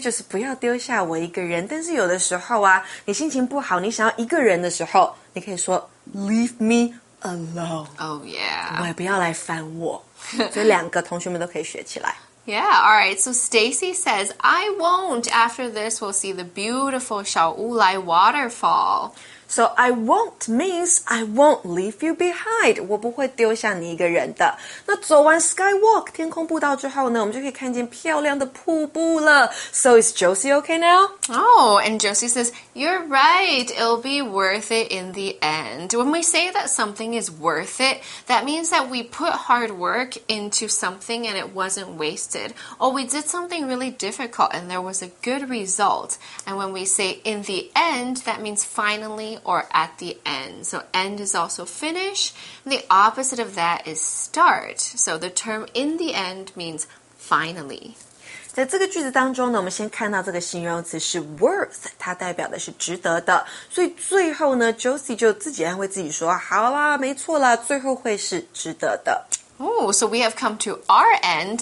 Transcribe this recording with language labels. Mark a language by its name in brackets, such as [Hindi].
[Chinese] 就是不要丢下我一个人。但是有的时候啊，你心情不好，你想要一个人的时候，你可以说 [English] Leave me alone. Oh, yeah. [Chinese] 我也不要来烦我。所以两个同学们都可以学起来。 [English] Yeah, all right. So Stacy says, I won't. After this, we'll see the beautiful Shaoulai waterfall. So I won't means I won't leave you behind. [Chinese] 我不会丢下你一个人的。那走完 Skywalk, 天空步道之后呢，我们就可以看见漂亮的瀑布了。 [English] So is Josie okay now? Oh, and Josie says, you're right. It'll be worth it in the end. When we say that something is worth it, that means that we put hard work into something and it wasn't wasted. Or we did something really difficult and there was a good result. And when we say in the end, that means finally,or at the end. So end is also finish. And the opposite of that is start. So the term in the end means finally. [Chinese] 在这个句子当中呢，我们先看到这个形容词是 worth， 它代表的是值得的。所以最后呢 ，Josie 就自己安慰自己说：“好啦，没错啦，最后会是值得的。” [English] Oh, so we have come to our end.